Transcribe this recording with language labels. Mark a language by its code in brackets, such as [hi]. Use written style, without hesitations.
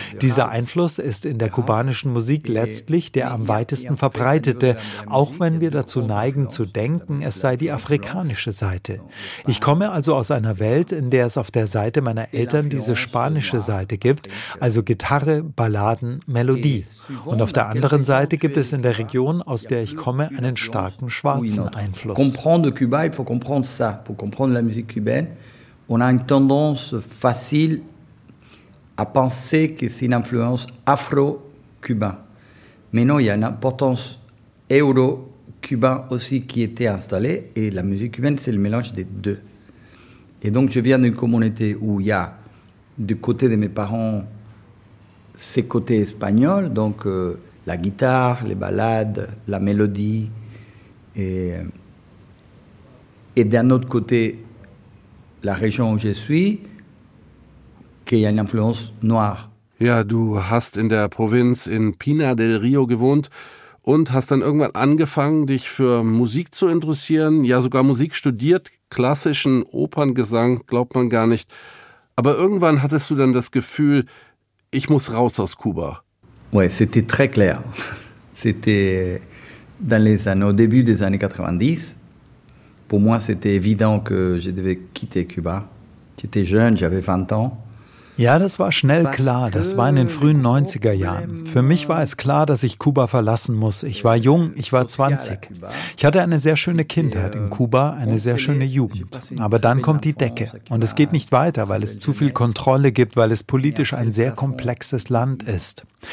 [de] Dieser Einfluss ist in der kubanischen Musik letztlich der am weitesten verbreitete, auch wenn wir dazu neigen zu denken, es sei die afrikanische Seite. Ich komme also aus einer Welt, in der es auf der Seite meiner Eltern diese spanische Seite gibt, also Gitarre, Balladen, Melodie. Und auf der anderen Seite gibt es in der Region, aus der ich komme, einen starken schwarzen Einfluss. [fr] Comprendre Cuba, il faut comprendre ça. Pour comprendre la musique cubaine, on a une tendance facile à penser que c'est une influence afro-cubain. Mais non, il y a une importance euro. Cubain aussi qui était installé et la musique cubaine c'est le mélange des deux. Et donc je viens d'une communauté où il y a du côté de mes parents ces côtés espagnols, donc la guitare, les ballades, la mélodie et d'un autre côté la région où je suis qui a une influence noire. [de] Ja, du hast in der Provinz in Pina del Rio gewohnt. Und hast dann irgendwann angefangen, dich für Musik zu interessieren, ja sogar Musik studiert, klassischen Operngesang, glaubt man gar nicht. Aber irgendwann hattest du dann das Gefühl, ich muss raus aus Kuba. [fr] Ouais, c'était très clair. C'était dans les années, au début des années 90. Pour moi, c'était évident que je devais quitter Cuba. J'étais jeune, j'avais 20 ans. [de] Ja, das war schnell klar. Das war in den frühen 90er Jahren. Für mich war es klar, dass ich Kuba verlassen muss. Ich war jung, ich war 20. Ich hatte eine sehr schöne Kindheit in Kuba, eine sehr schöne Jugend. Aber dann kommt die Decke. Und es geht nicht weiter, weil es zu viel Kontrolle gibt, weil es politisch ein sehr komplexes Land ist.